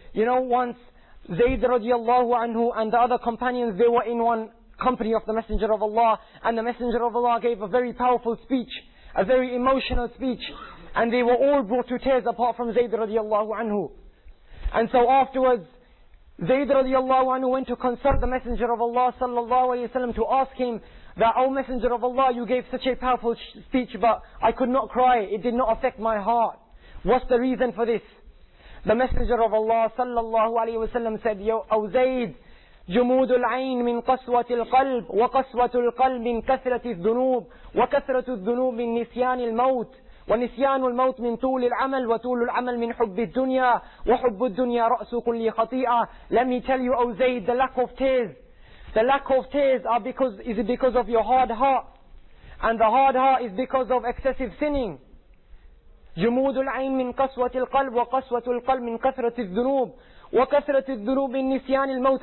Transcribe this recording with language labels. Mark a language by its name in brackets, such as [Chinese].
[English] You know, once Zayd radiallahu anhu and the other companions, they were in one company of the Messenger of Allah, and the Messenger of Allah gave a very powerful speech, a very emotional speech, and they were all brought to tears apart from Zayd radiallahu anhu. And so afterwards, Zayd radiallahu anhu went to consult the Messenger of Allah sallallahu alayhi wa sallam to ask him, that, O Messenger of Allah, you gave such a powerful speech, but I could not cry, it did not affect my heart. What's the reason for this? The Messenger of Allah sallallahu alayhi wa sallam said, Yo, O Zayd, [Arabic] جُمُودُ الْعَيْنِ مِنْ قَسْوَةِ الْقَلْبِ وَقَسْوَةُ الْقَلْبِ مِنْ كَثْرَةِ الذُّنُوبِ وَكَثْرَةُ الذُّنُوبِ مِنْ نِسْيَانِ الْمَوْتِ وَنِسْيَانُ الْمَوْتِ مِنْ طُولِ الْعَمَلِ وَطُولُ الْعَمَلِ مِنْ حُبِّ الدُّنْيَا وَحُبُّ الدُّنْيَا رَأْسُ كُلِّ خَطِيئَةٍ. [English] Let me tell you, O Zayd, the lack of tears. The lack of tears is it because of your hard heart? And the hard heart is because of excessive sinning. [Arabic] جُمُودُ الْعَيْنِ مِنْ قَسْوَةِ الْقَلْبِ وَقَسْوَةُ الْقَلْبِ مِنْ كَثْرَةِ الذُّنُوبِ وَكَثْرَةِ الذُّنُوبِ مِنْ نِسْيَانِ الْمَوْتِ.